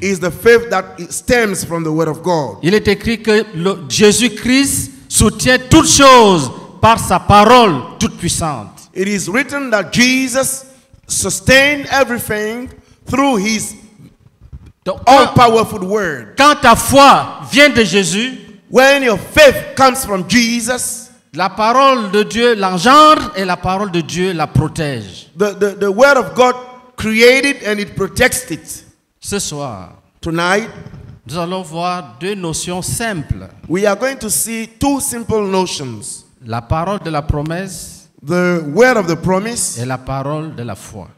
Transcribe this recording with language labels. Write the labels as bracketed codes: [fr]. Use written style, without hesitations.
[en] Is the faith that stems from the word of God. [fr] Il est écrit que Jésus-Christ soutient toutes choses par sa parole toute puissante. [en] It is written that Jesus sustained everything through his all-powerful word. [fr] Quand ta foi vient de Jésus, [en] when your faith comes from Jesus, [fr] la parole de Dieu l'engendre et la parole de Dieu la protège. [en] The word of God created and it protects it. [fr] Ce soir, [en] tonight, [fr] nous allons voir deux notions simples. [en] We are going to see two simple notions. [fr] La parole de la promesse, [en] the word of the promise, [fr] et la parole de la foi,